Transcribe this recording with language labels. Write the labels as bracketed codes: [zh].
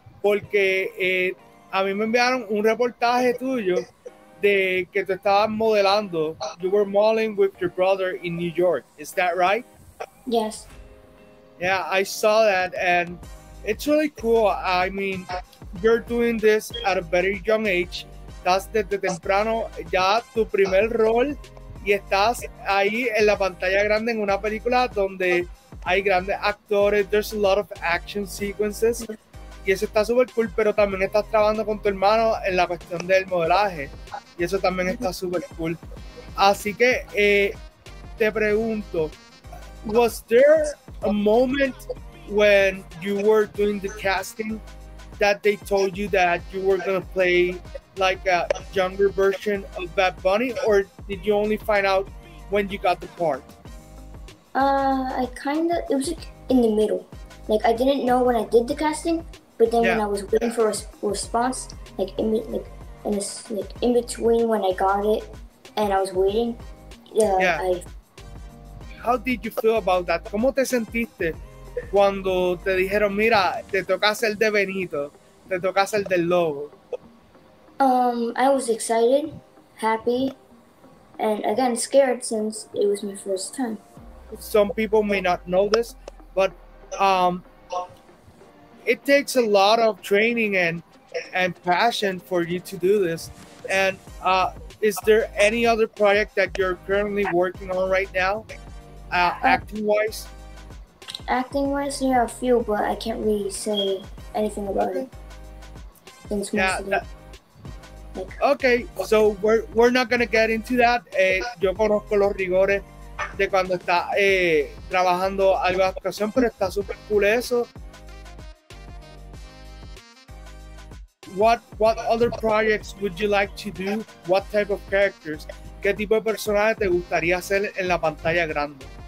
[es] Porque a mí me enviaron un reportaje tuyo de que te estabas modelando. [en] You were modeling with your brother in New York. Is that right? Yes. Yeah, I saw that and it's really cool. I mean, you're doing this at a very young age. [es] Estás desde temprano ya tu primer rol y estás ahí en la pantalla grande en una película donde hay grandes actores. There's a lot of action sequences. Y eso está súper cool, pero también estás trabajando con tu hermano en la cuestión del modelaje. Y eso también está súper cool. [en] Así que te pregunto, was there a moment when you were doing the casting that they told you that you were going to play like a younger version of Bad Bunny? Or did you only find out when you got the part? It was like in the middle. Like I didn't know when I did the casting. But then when I was waiting for a response, in between when I got it and I was waiting, How did you feel about that? [es] ¿Cómo te sentiste cuando te dijeron, mira, te toca hacer de Benito, te toca hacer del Lobo? [en] I was excited, happy, and again, scared since it was my first time. Some people may not know this, but it takes a lot of training and passion for you to do this. And is there any other project that you're currently working on right now, acting-wise? Acting-wise, there are a few, but I can't really say anything about it. So we're not going to get into that. [es] Yo conozco los rigores de cuando está trabajando algo de actuación, pero está súper cool eso. [en] What other projects would you like to do? What type of characters? [es] ¿Qué tipo de personaje te gustaría hacer en la pantalla grande?